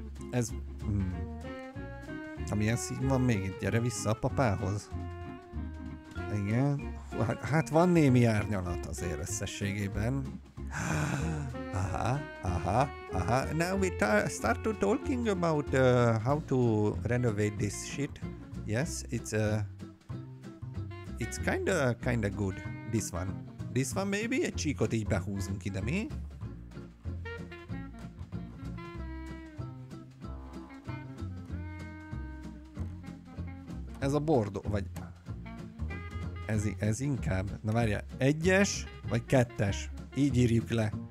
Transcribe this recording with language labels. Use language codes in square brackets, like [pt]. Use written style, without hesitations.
[hu] Ez, amilyen szín van még itt? Gyere vissza a papához. Igen. Hát van némi árnyalat azért összességében. Aha. [en] Now we start to talking about how to renovate this shit. Yes, it's kinda good, this one. This one maybe? [hu] Egy csíkot így behúzunk ide, mi? Ez a bordó, vagy... Ez inkább. Na várjál, egyes vagy kettes? Így írjuk le.